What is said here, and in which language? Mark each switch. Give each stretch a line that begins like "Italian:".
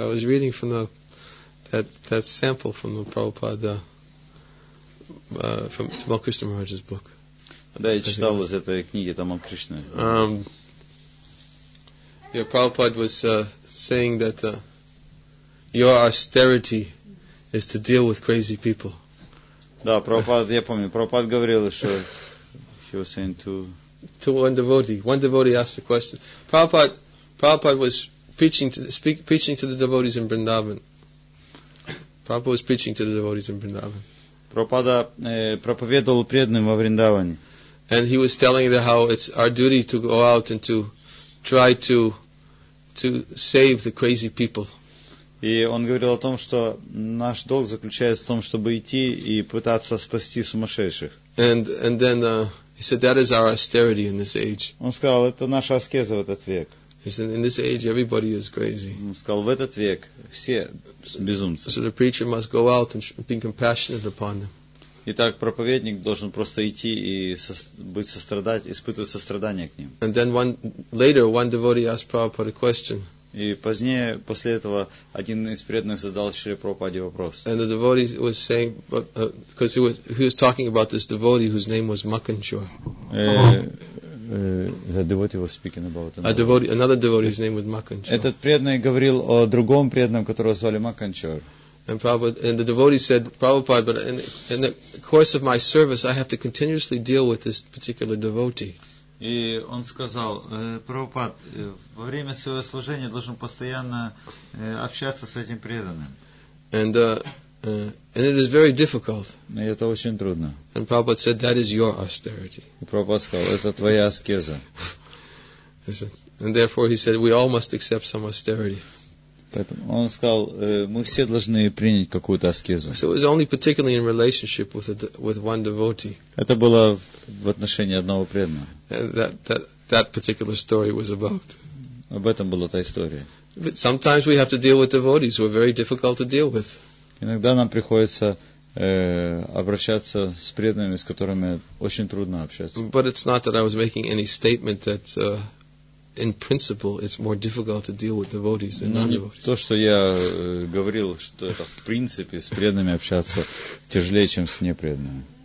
English: I was reading from that sample from the Prabhupada from Tamal Krishna Maharaj's book.
Russian: Да, я читал из этой книги Тамал Кришны.
English: Yeah, Prabhupada was saying that your austerity is to deal with crazy people.
Russian: Да, Прабхупад, я помню, Прабхупад говорил, что
English: he was saying to one devotee asked a question. Prabhupad was preaching to the devotees in Vrindavan. Prabhupad was preaching to the devotees in Vrindavan.
Russian: Прабхупада проповедовал преданным во Вриндаване.
English: And he was telling them how it's our duty to go out and to try to save the crazy people.
Russian: И он говорил о том, что наш долг заключается в том, чтобы идти и пытаться спасти сумасшедших.
English: And then he said that is our austerity in this age.
Russian: Он сказал, это наша аскеза в этот век.
English: He said in this age everybody is crazy.
Russian: Он сказал, в этот век все безумцы.
English: So the preacher must go out and be compassionate upon them.
Russian: Итак, проповедник должен просто идти и испытывать сострадание к ним.
English: And then later one devotee asked Prabhupada a question.
Russian: И позднее, после этого, один из преданных задал Шри Прабхупаде вопрос.
English: And the devotee was saying, because he was talking about this devotee whose name was Makanchur. The devotee was speaking about another. Another devotee, his name was Makanchur.
Russian: Этот преданный говорил о другом преданном, которого звали Makanchur.
English: And the devotee said, Prabhupada, but in the course of my service, I have to continuously deal with this particular devotee.
Russian: И он сказал, Прабхупад, во время своего служения должен постоянно общаться с этим преданным.
English: And it is very difficult.
Russian: И это очень трудно.
English: And Prabhupad said, that is your austerity.
Russian: И Прабхупад сказал, это твоя аскеза.
English: And therefore he said, we all must accept some austerity.
Russian: Поэтому он сказал, мы все должны принять какую-то аскезу.
English: So it was only particularly in relationship with one devotee.
Russian: Это было в отношении одного преданного.
English: That particular story was about.
Russian: Об этом была та история.
English: But sometimes we have to deal with devotees who are very difficult to deal with.
Russian: Иногда нам приходится обращаться с преданными, с которыми очень трудно общаться.
English: But it's not that I was making any statement that in principle it's more difficult to deal with devotees than non-devotees.
Russian: То, что я говорил, что это в принципе с преданными общаться тяжелее, чем с непреданными.